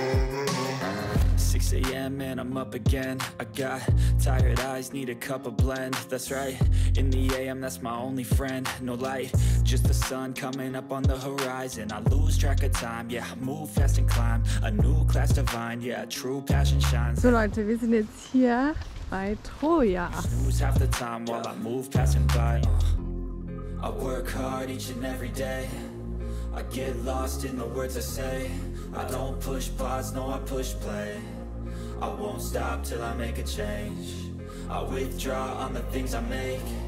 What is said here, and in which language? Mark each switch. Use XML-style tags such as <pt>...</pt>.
<en>Man, I'm up again. I got tired eyes, need a cup of blend. That's right, in the AM, that's my only friend. No light, just the sun coming up on the horizon. I lose track of time, yeah, move fast and climb. A new class divine, yeah, true passion shines.</en> <de>So Leute, wir sind jetzt hier bei Troja.</de> <en>Snooze half the time while I move passing by. I work hard each and every day. I get lost in the words I say. I don't push pause, no, I push play. I won't stop till I make a change. I withdraw on the things I make.</en>